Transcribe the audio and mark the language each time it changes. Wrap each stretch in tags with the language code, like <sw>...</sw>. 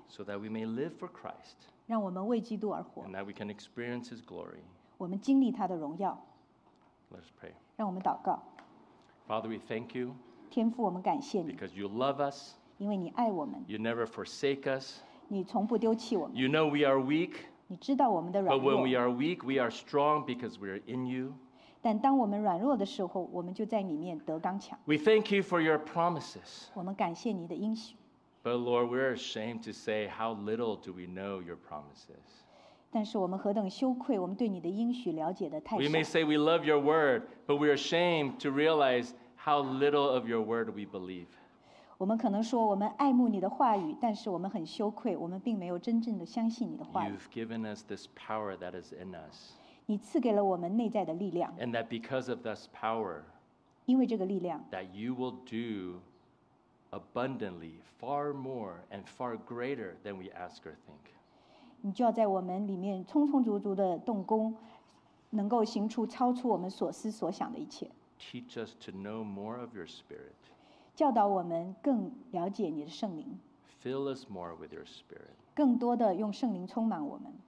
<en>So that we may live for Christ.</en> <zh>让我们为基督而活。</zh> <en>And that we can experience His glory.</en> <zh>我们经历他的荣耀。</zh> <en>Let us pray.</en> <zh>让我们祷告。</zh> <en>Father, we thank you.</en> <zh>天父，我们感谢你。</zh> <en>Because you love us.</en> <zh>因为你爱我们。</zh> <en>You never forsake us.</en> <zh>你从不丢弃我们。</zh> <en>You know we are weak.</en> <zh>你知道我们的软弱。</zh> <en>But when we are weak, we are strong because we are in you.</en> <zh>但当我们软弱的时候，我们就在里面得刚强。</zh> <en>We thank you for your promises.</en> <zh>我们感谢你的应许。</zh> <en>But Lord, we're ashamed to say how little do we know your promises.</en> <zh>但是我们何等羞愧，我们对你的应许了解的太少。</zh> <en>We may say we love your word, but we're ashamed to realize how little of your word we believe.</en> <zh>我们可能说我们爱慕你的话语，但是我们很羞愧，我们并没有真正的相信你的话语。</zh> <en>You've given us this power that is in us.</en> <zh>你赐给了我们内在的力量。</zh> <en>And that because of this power,</en> <zh>因为这个力量</zh> <en>that you will do. Abundantly, far more and far greater than we ask or think.</en> <zh>你就要在我们里面充充足足的动工，能够行出超出我们所思所想的一切。</zh> <en>Teach us to know more of your Spirit.</en> <zh>教导我们更了解你的圣灵。</zh> <en>Fill us more with your Spirit.</en> <zh>更多的用圣灵充满我们。</zh>